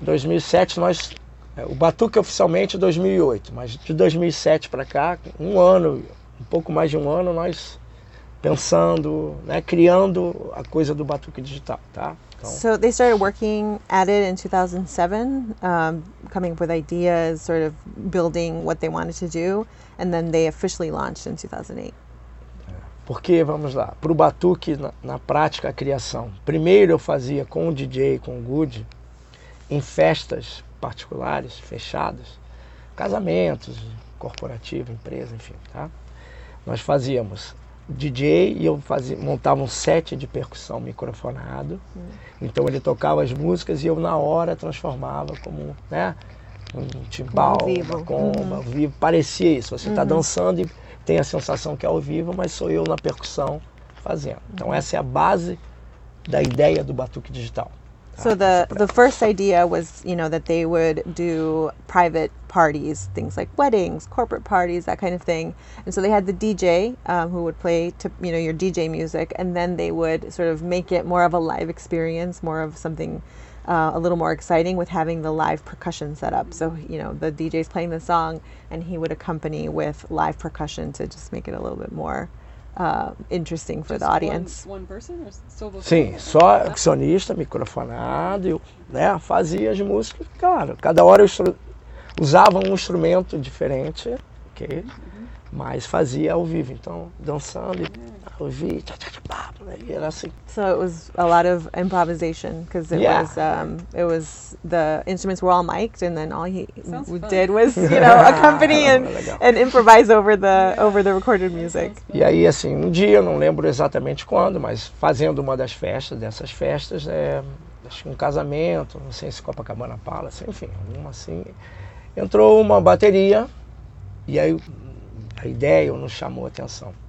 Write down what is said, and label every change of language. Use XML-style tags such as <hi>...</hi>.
<pt>2007 nós, o Batuque oficialmente 2008, mas de 2007 para cá, um ano, um pouco mais de um ano, nós pensando, né, criando a coisa do Batuque Digital, tá?</pt> <en>Então, so they started working at it in 2007, coming up with ideas, sort of building what they wanted to do, and then they officially launched in 2008.</en> <pt>Porque, vamos lá, para o batuque, na prática, a criação. Primeiro eu fazia com o DJ, com o Good, em festas particulares, fechadas, casamentos, corporativo, empresa, enfim, tá? Nós fazíamos DJ e eu fazia, montava um set de percussão microfonado. Então ele tocava as músicas e eu, na hora, transformava como, né, um timbal, uma comba, ao vivo. Parecia isso, você está dançando e tem a sensação que é ao vivo, mas sou eu na percussão fazendo. Então essa é a base da ideia do batuque digital. Tá?</pt> <en>So the first idea was, you know, that they would do private parties, things like weddings, corporate parties, that kind of thing. And so they had the DJ who would play, to, you know, your DJ music, and then they would sort of make it more of a live experience, more of something a little more exciting with having the live percussion set up. So, you know, the DJ's playing the song and he would accompany with live percussion to just make it a little bit more interesting for just the audience. One person or so vocalista?</en> <pt>Sim, só accionista, microfonado, né, fazia as músicas. Claro, cada hora eu usava um instrumento diferente, ok? Mas fazia ao vivo, então dançando e ao vivo, era assim.</pt> <en>So it was a lot of improvisation because it was the instruments were all mic'd and then all he did was, you know, accompany and improvise over the recorded music.</en> <pt>E aí assim, um dia, não lembro exatamente quando, mas fazendo uma das festas, dessas festas, acho que um casamento, não sei se Copacabana Palace, enfim, alguma assim, entrou uma bateria e aí a ideia não chamou a atenção.</pt>